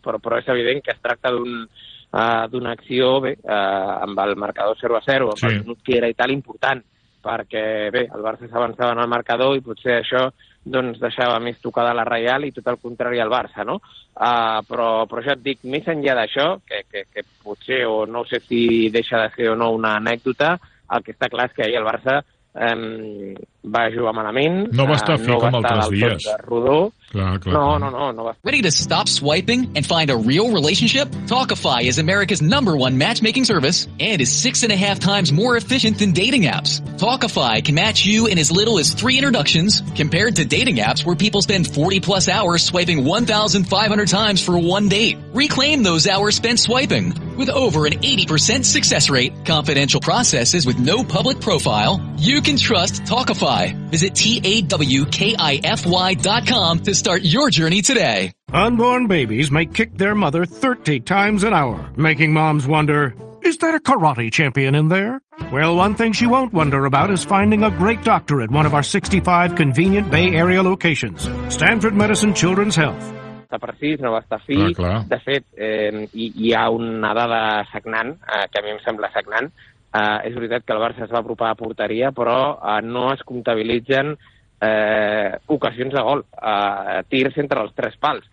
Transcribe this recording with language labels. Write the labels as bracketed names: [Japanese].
[Catalan] Però és evident que es tracta d'una acció, bé, amb el marcador 0-0, amb el minut que era i tal, important, perquè, bé, el Barça s'avançava en el marcador i potser això, doncs, deixava més tocada la Real i tot el contrari al Barça, no? Però ja et dic, més enllà d'això, que potser, o no sé si deixa de ser o no una anècdota, el que està clar és que ahir el Barça va jugar malament. No va estar fi no com altres dies. Rodó. Clar. [English] Ready to stop swiping and find a real relationship? Talkify is America's number one matchmaking service and is 6.5 times more efficient than dating apps. Talkify can match you in as little as 3 introductions compared to dating apps where people spend 40 plus hours swiping 1,500 times for one date. Reclaim those hours spent swiping. With over an 80% success rate, confidential processes with no public profile, you can trust Talkify. Visit TAWKIFY.com to start your journey today. Unborn babies may kick their mother 30 times an hour, making moms wonder, is that a karate champion in there? Well, one thing she won't wonder about is finding a great doctor at one of our 65 convenient Bay Area locations. Stanford Medicine Children's Health. [Catalan] Està precís, no va estar fi. Ah, clar. De fet, hi ha una dada sagnant, que a mi em sembla sagnant. És veritat que el Barça es va apropar a porteria, però no es comptabilitzen ocasions de gol. Tirs entre els tres pals.